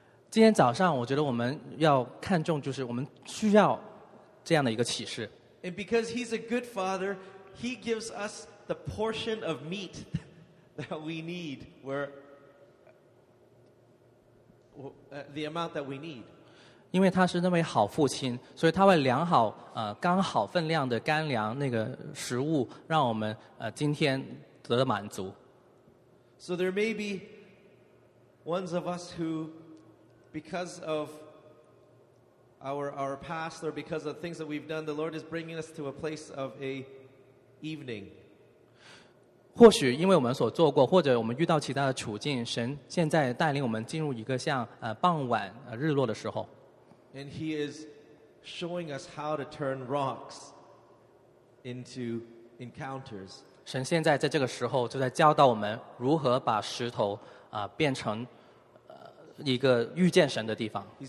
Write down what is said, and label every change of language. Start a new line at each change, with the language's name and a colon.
Chinese: 今天早上我觉得我们要看重就是我们需要这样的一个启示。
English: And because he's a good father, he gives us the portion of meat that we need where the amount that we need.
Chinese: 因为他是那位好父亲，所以他会量好刚好分量的干粮那个食物，让我们今天得满足。
English: So there may be ones of us who, because of our past or because of things that we've done, the Lord is bringing us to a place of a evening.
Chinese: 或许因为我们所做过，或者我们遇到其他的处境，神现在带领我们进入一个像傍晚日落的时候。
English: And he is showing us how to turn rocks into encounters.
Chinese: 神现在在这个时候就在教导我们如何把石头变成一个遇见神的地方。